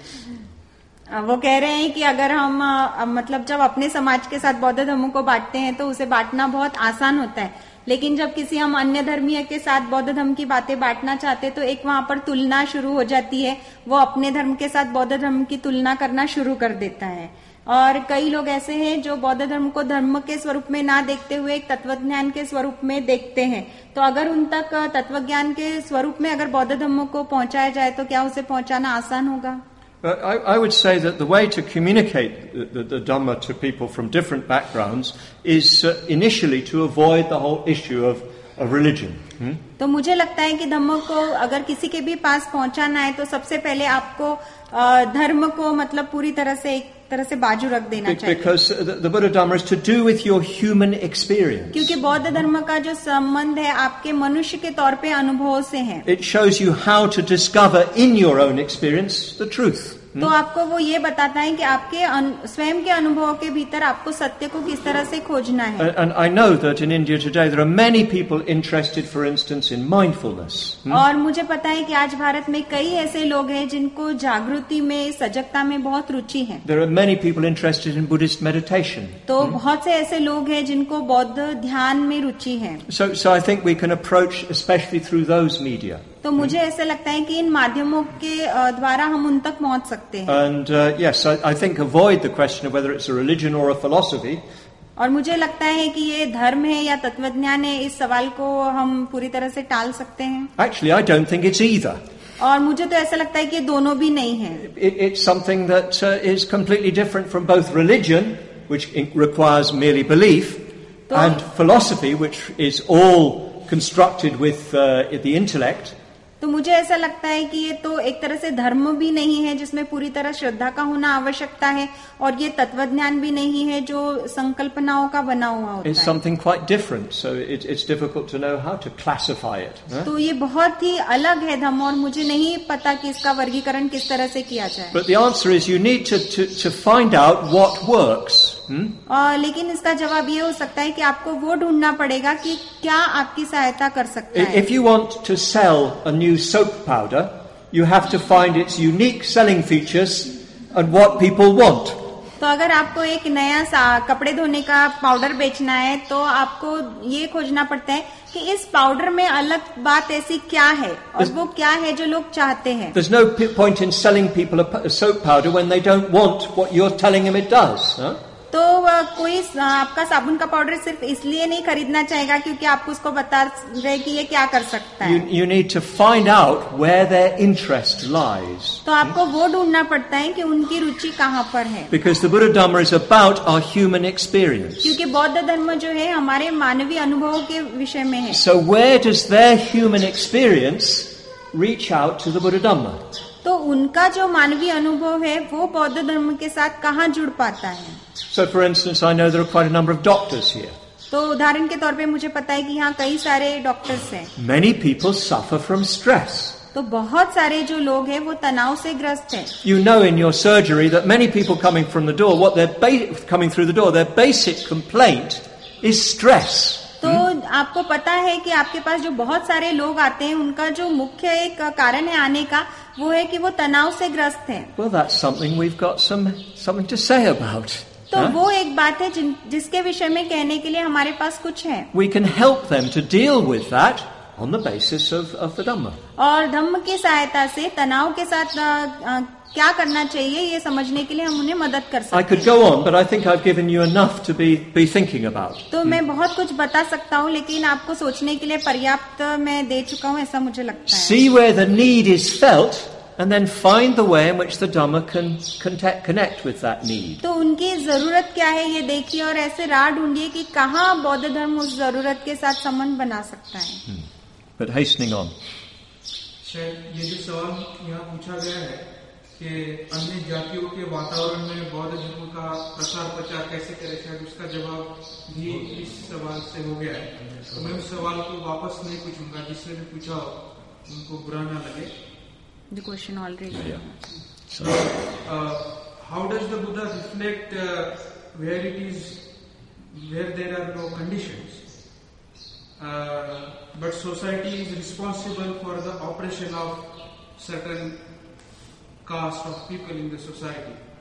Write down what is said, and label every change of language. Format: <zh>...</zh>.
<hi>वो कह रहे हैं कि अगर हम मतलब जब अपने समाज के साथ बौद्ध धर्म को बांटते हैं तो उसे बांटना बहुत आसान होता है, लेकिन जब किसी हम अन्य धर्मीय के साथ बौद्ध धर्म की बातें बांटना चाहते तो एक वहां पर तुलना शुरू हो जाती है, वो अपने धर्म के साथ बौद्ध धर्म की तुलना करना शुरू कर देता है. और कई लोग ऐसे हैं जो बौद्ध धर्म को धर्म के स्वरूप में ना देखते हुए एक तत्वज्ञान के स्वरूप में देखते हैं, तो अगर उन तक तत्वज्ञान के स्वरूप में अगर बौद्ध धर्म को पहुंचाया जाए तो क्या उसे पहुंचाना आसान होगा?</hi> <en>I would say that the way to communicate the Dhamma to people from different backgrounds is initially to avoid the whole issue of religion.</en> <hi>तो मुझे लगता है कि धर्म को अगर किसी के भी पास पहुंचाना है तो सबसे पहले आपको धर्म को मतलब पूरी तरह से एक तरह से बाजू रख देना चाहिए.</hi> <en>Because the Buddha Dhamma is to do with your human experience.</en> <hi>क्योंकि बौद्ध धर्म का जो संबंध है आपके मनुष्य के तौर पे अनुभव से है.</hi> <en>It shows you how to discover in your own experience the truth.</en> <hi>तो आपको वो ये बताता है कि आपके स्वयं के अनुभव के भीतर आपको सत्य को किस तरह से खोजना है.</hi> <en>And I know that in India today there are many people interested, for instance, in mindfulness.</en> <hi>और मुझे पता है कि आज भारत में कई ऐसे लोग हैं जिनको जागृति में सजगता में बहुत रुचि है.</hi> <en>There are many people interested in Buddhist meditation.</en> <hi>तो बहुत से ऐसे लोग हैं जिनको बौद्ध ध्यान में रुचि है.</hi> <en>So I think we can approach especially through those media.</en> <hi>तो मुझे ऐसा लगता है कि इन माध्यमों के द्वारा हम उन तक पहुंच सकते हैं.</hi> <en>And yes, I think avoid the question of whether it's a religion or a philosophy.</en> <hi>और मुझे लगता है कि ये धर्म है या तत्वज्ञान है, इस सवाल को हम पूरी तरह से टाल सकते हैं.</hi> <en>Actually, I don't think it's either.</en> <hi>और मुझे तो ऐसा लगता है कि ये दोनों भी नहीं है.</hi> <en>It's something that is completely different from both religion, which requires merely belief, and philosophy, which is all constructed with the intellect.</en> <hi>तो मुझे ऐसा लगता है कि ये तो एक तरह से धर्म भी नहीं है जिसमें पूरी तरह श्रद्धा का होना आवश्यकता है, और ये तत्वज्ञान भी नहीं है जो संकल्पनाओं का बना हुआ होता है.</hi> <en>It's something quite different, so it's difficult to know how to classify it.</en> <hi>तो ये बहुत ही अलग है धर्म, और मुझे नहीं पता कि इसका वर्गीकरण किस तरह से किया जाए.</hi> <en>But the answer is you need to find out what works.</en> <hi>लेकिन इसका जवाब ये हो सकता है कि आपको वो ढूंढना पड़ेगा कि क्या आपकी सहायता कर सकता है.</hi> <en>If you want to sell a new soap powder, you have to find its unique selling features and what people want.</en> <hi>तो अगर आपको एक नया सा कपड़े धोने का पाउडर बेचना है तो आपको ये खोजना पड़ता है कि इस पाउडर में अलग बात ऐसी क्या है और वो क्या है जो लोग चाहते हैं.</hi> <en>There's no point in selling people a soap powder when they don't want what you're telling them it does.</en> <hi>तो कोई आपका साबुन का पाउडर सिर्फ इसलिए नहीं खरीदना चाहेगा क्योंकि आपको उसको बता रहे कि ये क्या कर सकता है.</hi> <en>You need to find out where their interest lies.</en> <hi>तो आपको वो ढूंढना पड़ता है कि उनकी रुचि कहाँ पर है.</hi> <en>Because the Buddha Dhamma is about our human experience.</en> <hi>क्योंकि बौद्ध धर्म जो है हमारे मानवीय अनुभवों के विषय में है.</hi> <en>So where does their human experience reach out to the Buddha Dhamma?</en> <hi>तो उनका जो मानवीय अनुभव है वो बौद्ध धर्म के साथ कहाँ जुड़ पाता है?</hi> <en>So, for instance, I know there are quite a number of doctors here.</en> <hi>तो उदाहरण के तौर पे मुझे पता है कि यहाँ कई सारे डॉक्टर्स हैं.</hi> <en>Many people suffer from stress.</en> <hi>तो बहुत सारे जो लोग हैं वो तनाव से ग्रस्त हैं.</hi> <en>You know, in your surgery, that many people coming from the door, what they're coming through the door, their basic complaint is stress.</en> <hi>तो आपको पता है कि आपके पास जो बहुत सारे लोग आते हैं उनका जो मुख्य एक कारण है आने का वो है कि वो तनाव से ग्रस्त हैं।</hi> <en>Well, that's something we've got something to say about.</en> <hi>तो वो एक बात है जिसके विषय में कहने के लिए हमारे पास कुछ है।</hi> <en>We can help them to deal with that on the basis of the Dhamma.</en> <hi>और धम्म की सहायता से तनाव के साथ क्या करना चाहिए ये समझने के लिए हम उन्हें मदद कर सकते हैं।</hi> <en>I could go on, but I think I've given you enough to be thinking about.</en> <hi>तो मैं बहुत कुछ बता सकता हूँ लेकिन आपको सोचने के लिए पर्याप्त मैं दे चुका हूँ ऐसा मुझे लगता है।</hi> <en>See where the need is felt and then find the way in which the Dhamma can connect with that need.</en> <hi>तो उनकी जरूरत क्या है ये देखिए और ऐसे राह ढूंढिए कि कहाँ बौद्ध धर्म उस जरूरत के साथ संबंध बना सकता है।</hi> <en>But hastening on.</en> <hi>ये जो सवाल यहाँ पूछा गया है कि अन्य जातियों के वातावरण में बौद्ध धर्म का प्रसार प्रचार कैसे करें शायद उसका जवाब भी इस सवाल से हो गया है। तो मैं उस सवाल को वापस नहीं पूछूंगा जिसने भी पूछा उनको बुरा ना लगे।</hi> <en>The question already. Yeah. How does the Buddha reflect where it is, where there are no conditions? But society is responsible for the oppression of certain caste of people in the society.</en>